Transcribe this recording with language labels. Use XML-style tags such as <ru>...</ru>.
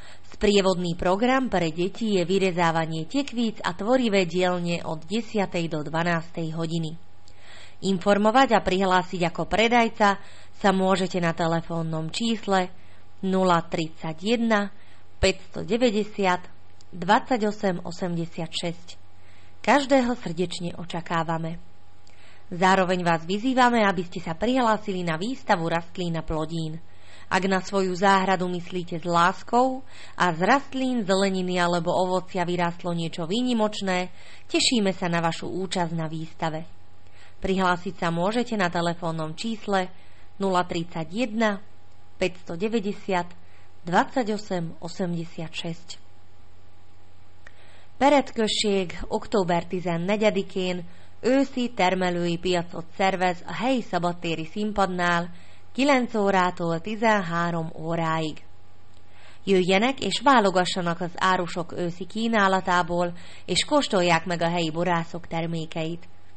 <sk>Sprievodný program pre deti je vyrezávanie tekvíc a tvorivé dielne od 10. do 12. hodiny. Informovať a prihlásiť ako predajca sa môžete na telefónnom čísle 031 590 28 86. Každého srdečne očakávame. Zároveň vás vyzývame, aby ste sa prihlásili na výstavu rastlín a plodín. Ak na svoju záhradu myslíte s láskou a z rastlín, zeleniny alebo ovocia vyrástlo niečo výnimočné, tešíme sa na vašu účasť na výstave. Prihlásiť sa môžete na telefónnom čísle 031 590 28 86.</sk> <hu>Peretkösség október 14-én őszi termelői piacot szervez a helyi szabadtéri színpadnál 9 órától 13 óráig. Jöjjenek és válogassanak az árusok őszi kínálatából, és kóstolják meg a helyi borászok termékeit.</hu>